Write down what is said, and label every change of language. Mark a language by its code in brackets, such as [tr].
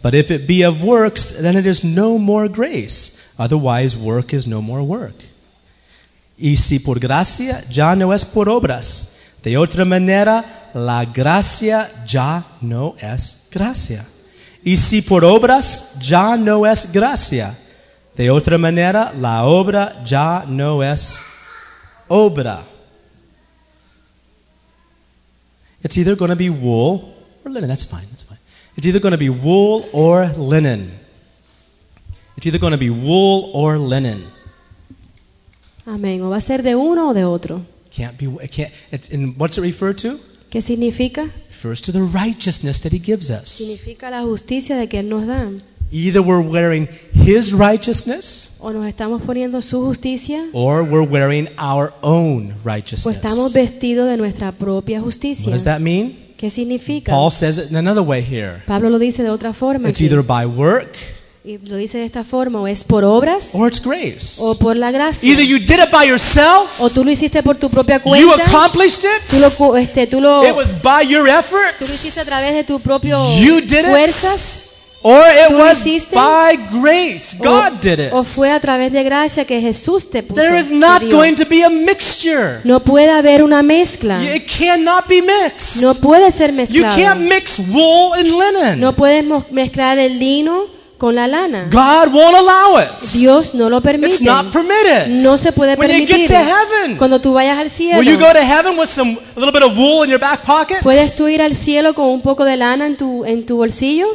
[en] But if it be of works, then it is no more grace. Otherwise, work is no more work. [es] Y si por gracia ya no es por obras, de otra manera la gracia ya no es gracia. Y si por obras ya no es gracia, de otra manera la obra ya no es obra. [en] It's either going to be wool or linen. That's fine. That's fine. It's either going to be wool or linen. It's either going to be wool or linen. [es] Amén. O va a ser de uno o de otro. [en] Can't be. It can't. It's, and what's it refer to? [es] ¿Qué significa? [en] Refers to the righteousness that He gives us. [es] Significa la justicia de que Él nos da. [en] Either we're wearing His righteousness, [es] o nos estamos poniendo su justicia, [en] or we're wearing our own righteousness. [es] O estamos vestidos de nuestra propia justicia. [en] What does that mean? [es] ¿Qué significa? [en] Paul says it in another way here. [es] Pablo lo dice de otra forma. [en] It's either by work, [es] y lo dice de esta forma, o es por obras, [en] or it's grace, [es] o por la gracia. [en] Either you did it by yourself, [es] o tú lo hiciste por tu propia cuenta. [en] You accomplished it. [es] Tú lo. [en] It was by your efforts. [es] Tú lo hiciste a través de tu propio. [en] You did [es] fuerzas. [en] It. Or it was by grace. God did it. [es] O fue a través de gracia que Jesús te puso. [en] There is not going to be a mixture. [es] No puede haber una mezcla. [en] It cannot be mixed. [es] No puede ser mezclado. [en] You can't mix wool and linen. [es] No puedes mezclar el lino con la lana. [en] God won't allow it. [es] Dios no lo permite. [en] It's not permitted. [es] No se puede [en] when [es] permitir. [en] When you get to heaven, [es] cuando tú vayas al cielo, [en] will you go to heaven with some a little bit of wool in your back pocket? [es] Puedes tú ir al cielo con un poco de lana en tu bolsillo?